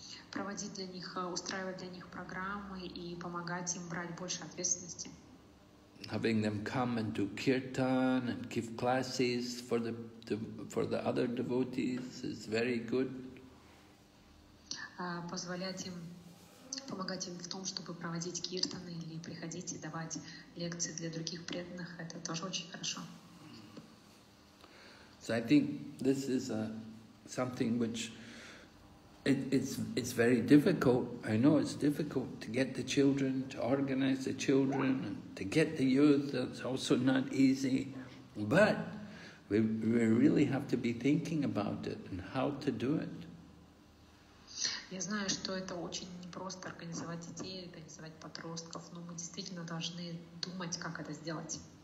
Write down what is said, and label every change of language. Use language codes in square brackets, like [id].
[ru] Проводить для них, устраивать для них программы и помогать им брать больше ответственности. [en] Having them come and do kirtan and give classes for the other devotees is very good. [ru] Позволять им, помогать им в том, чтобы проводить киртаны или приходить и давать лекции для других преданных, это тоже очень хорошо. [en] So I think this is something which it's very difficult. I know it's difficult to get the children, to organize the children, and to get the youth. That's also not easy. But we really have to be thinking about it and how to do it. [ru] Я знаю, что это очень непросто организовать детей, организовать подростков, но мы действительно должны думать, как это сделать.